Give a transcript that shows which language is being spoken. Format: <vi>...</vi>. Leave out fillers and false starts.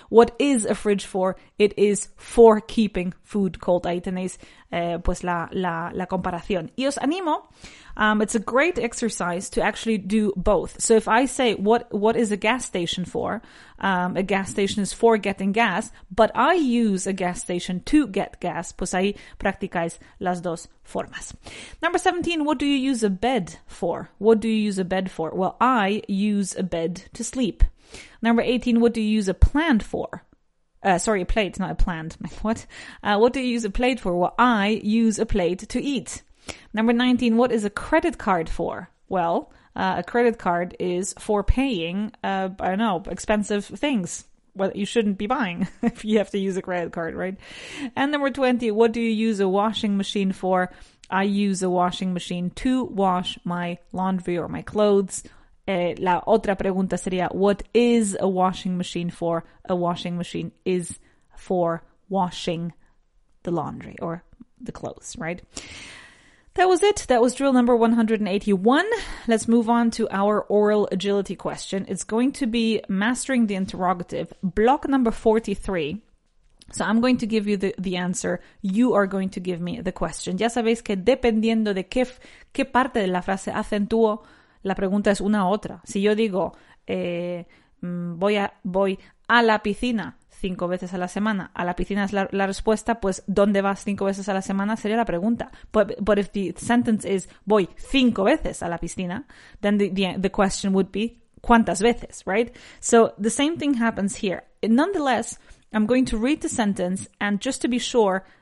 <en>What is a fridge for? It is for keeping food cold.</en> <es>Ahí tenéis pues la comparación. Y os animo.</es> <en>It's a great exercise to actually do both. So if I say what is a gas station for? A gas station is for getting gas, but I use a gas station to get gas. Pues ahí practicáis las dos formas. Number 17, what do you use a bed for? Well, I use a bed to sleep. Number 18, what do you use a plant for? What do you use a plate for? Well, I use a plate to eat. Number 19, what is a credit card for? Well, a credit card is for paying, expensive things. Well, you shouldn't be buying if you have to use a credit card, right? And number 20, what do you use a washing machine for? I use a washing machine to wash my laundry or my clothes.</en> <es>La otra pregunta sería,</es> <en>what is a washing machine for? A washing machine is for washing the laundry or the clothes, right? That was it. That was drill number 181. Let's move on to our oral agility question. It's going to be mastering the interrogative, block number 43. So I'm going to give you the answer. You are going to give me the question.</en> <es>Ya sabéis que dependiendo de qué parte de la frase acentúo, la pregunta es una u otra. Si yo digo, voy a la piscina 5 veces a la semana, a la piscina es la respuesta, pues ¿dónde vas 5 veces a la semana? Sería la pregunta.</es> <en>But if the sentence is,</en> <es>voy 5 veces a la piscina,</es> <en>then the question would be,</en> <es>¿cuántas veces?</es> <en>Right? So the same thing happens here. Nonetheless, I'm going to read the sentence, and just to be sure,</en>